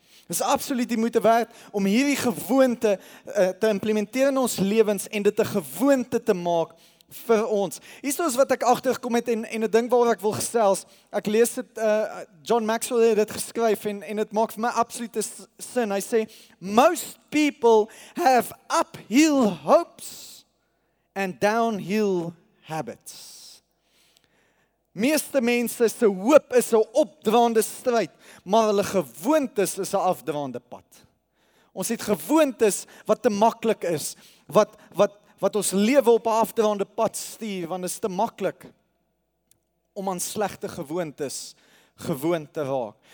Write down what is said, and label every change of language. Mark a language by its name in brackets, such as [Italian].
[Afrikaans] Dis absoluut die moeite werd om hierdie gewoonte te implementeer in ons lewens en dit 'n gewoonte te maak vir ons. Hier is wat ek agtergekom het en 'n ding waar ek wil gesels. Ek lees dit, John Maxwell het dit geskryf en dit maak vir my absolute sin. Hy sê, [English] most people have uphill hopes and downhill habits. [Afrikaans] Meeste mense se hoop is 'n opdraande stryd, maar hulle gewoontes is 'n afdraande pad. Ons het gewoontes wat te maklik is, wat ons lewe op 'n afdraande pad stuur, want dit is te maklik om aan slegte gewoontes gewoond te raak.